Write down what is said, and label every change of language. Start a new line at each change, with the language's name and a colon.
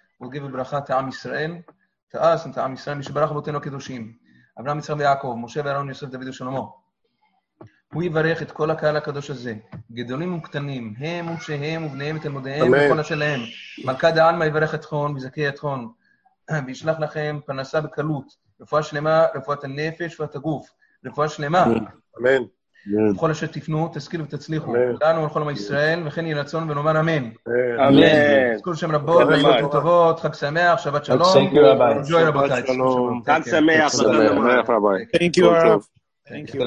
English: We'll give a bracha to Am Yisrael, to us and to Am Yisrael.
Hebrew: Mishabarach Avotenu Kedoshim. Avraham Yitzchak Yaakov, Moshe Aaron Yosef David Shlomo. הוא יברך את כל הקהל הקדוש הזה, גדולים וקטנים, הם ושהם ובניהם את תלמודיהם וכל השלהם. מלכה דעלמה יברך את חון וזכי את חון, וישלח לכם פנסה בקלות, רפואה שלמה, רפואת הנפש ואת הגוף. רפואה שלמה. אמן. בכל אשר תפנו, תשכילו ותצליחו. לנו ולכל עם ישראל, וכן יהי רצון ונאמר אמן. אמן. תזכור שם רבות, ברכות וטובות, חג שמח, שבת שלום.
English: Thank you, רבי. Enjoy, רבותיי.
Hebrew: חג שמח.
English: Thank you, רב. Thank you.